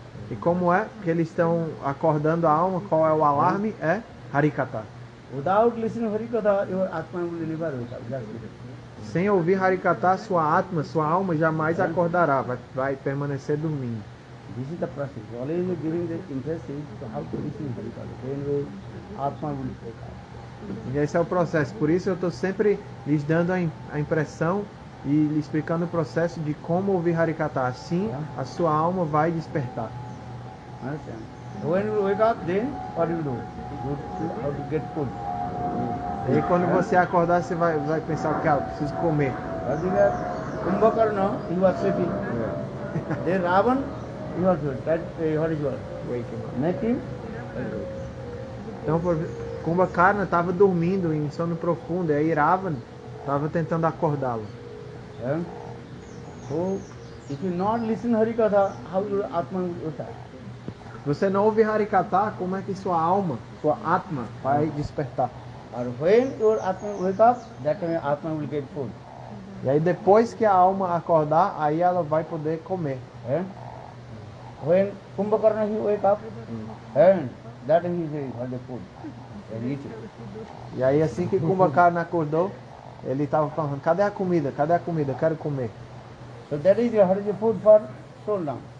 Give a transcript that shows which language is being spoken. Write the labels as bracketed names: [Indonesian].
[Portuguese] E como é que eles estão acordando a alma? Qual é o alarme? É Harikatha. [English] Without listening to Harikatha, your Atma will never wake up. [Portuguese] Sem ouvir Harikatha, sua atma, sua alma jamais acordará, vai permanecer dormindo. [English] This is the process. Always giving the emphasis to how to listen to Harikatha. Then the Atma will wake up. [Portuguese] E esse é o processo, por isso eu estou sempre lhes dando a impressão e lhes explicando o processo de como ouvir Harikatha. Assim, a sua alma vai despertar. [English] When you wake up, then what you do? How to get food. [Portuguese] E quando você acordar, você vai pensar, que eu preciso comer. Mas ele é Kumbhakarna, ele está sleeping. Then Ravan, ele está sleeping. [English] What is your waking? Making? [Portuguese] Então, Kumbhakarna estava dormindo em sono profundo, e aí Ravan estava tentando acordá-lo. Então, se você não ouvir Harikatha, como sua alma vai estar? Você não ouve Harikatha, como é que sua alma, sua atma, vai despertar? [English] And when your atma wake up, that time your atma will get food. [Portuguese] E aí depois que a alma acordar, aí ela vai poder comer. [English] Yeah? When Kumbhakarna he wake up, and that time he has the food. [Portuguese] E aí assim que Kumbhakarna acordou, ele estava falando, cadê a comida? Cadê a comida? Quero comer. [English] So that is your hard food for soul now.